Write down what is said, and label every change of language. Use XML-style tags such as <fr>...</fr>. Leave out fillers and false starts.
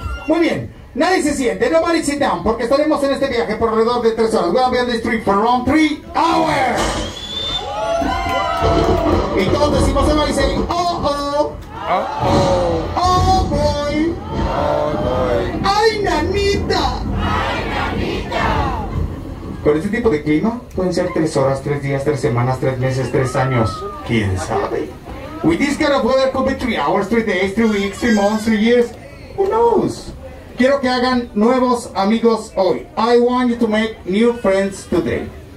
<es>Muy bien, nadie se siente,</es> <en>nobody sit down,</en> <es>porque estaremos en este viaje por alrededor de 3 horas.</es> <en>We'll be on the street for around 3 hours.</en> <es>Y todos decimos,</es> <en>nobody say,</en> <es>oh oh. Oh oh. Oh boy. Oh boy. Ay, nanita. Ay, nanita. Con este tipo de clima, pueden ser 3 horas, 3 días, 3 semanas, 3 meses, 3 años. ¿Quién sabe?</es> <en>With this kind of weather could be 3 hours, 3 days, 3 weeks, 3 months, 3 years. Who knows?</en> <es>Quiero que hagan nuevos amigos hoy.</es> <en>I want you to make new friends today.</en>